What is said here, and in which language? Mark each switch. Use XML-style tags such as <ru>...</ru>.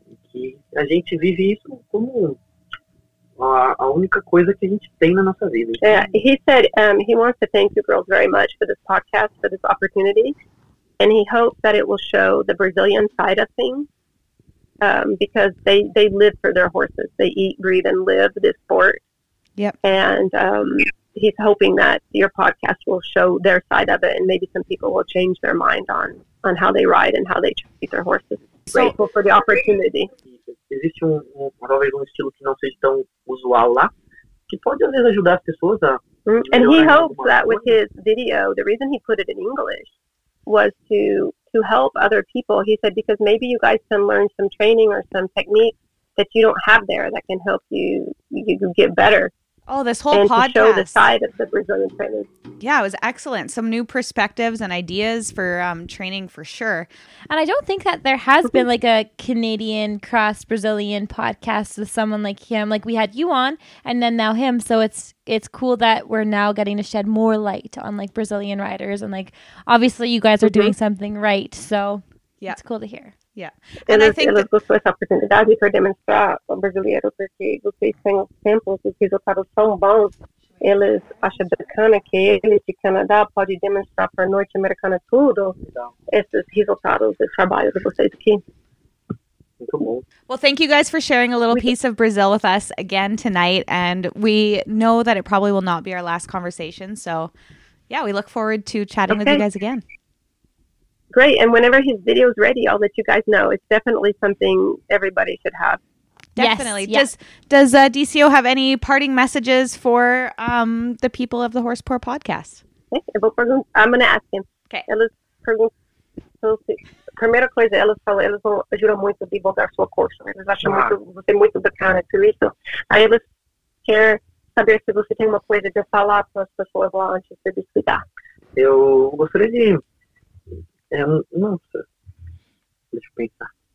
<pt>Que a gente vive isso como a única coisa que a gente tem na nossa vida.</pt> <en>He said he wants to thank you girls very much for this podcast, for this opportunity, and he hopes that it will show the Brazilian side of things, because they live for their horses. They eat, breathe, and live this sport. Yep. And he's hoping that your podcast will show their side of it, and maybe some people will change their mind on how they ride and how they treat their horses.</en> <pt>Existe um estilo que não seja tão usual lá, que pode às vezes ajudar as pessoas a.</pt> <en>And he hopes that with his video, the reason he put it in English was to help other people. He said because maybe you guys can learn some training or some technique that you don't have there that can help you get better. Oh, this whole podcast. And to show the side of the Brazilian trainers. Yeah, it was excellent. Some new perspectives and ideas for training for sure. And I don't think that there has been like a Canadian cross Brazilian podcast with someone like him. Like we had you on and then now him. So it's cool that we're now getting to shed more light on like Brazilian riders. And like, obviously you guys are doing something right. So yeah, it's cool to hear. Yeah. And I think</en> <pt>ela gostou dessa oportunidade para demonstrar ao brasileiro porque vocês têm os tempos e os resultados são bons. Eles acham bacana que ele de Canadá pode demonstrar para a norte-americana tudo esses resultados e trabalho de vocês aqui.</pt> <en>Well, thank you guys for sharing a little piece of Brazil with us again tonight. And we know that it probably will not be our last conversation. So, yeah, we look forward to chatting with you guys again. Great. And whenever his video is ready, I'll let you guys know. It's definitely something everybody should have. Definitely. Yes. Does DCO have any parting messages for the people of the Horse Poor podcast? I'm going to ask him. Okay.</en> <pt>Elas perguntam. Primeira coisa, elas falam, elas vão ajudar muito a divulgar sua curso. Elas acham você muito bacana por isso. Aí elas querem saber se você tem uma coisa de falar para as pessoas lá antes de desligar. Eu gostaria de. Deixa eu pensar.</pt>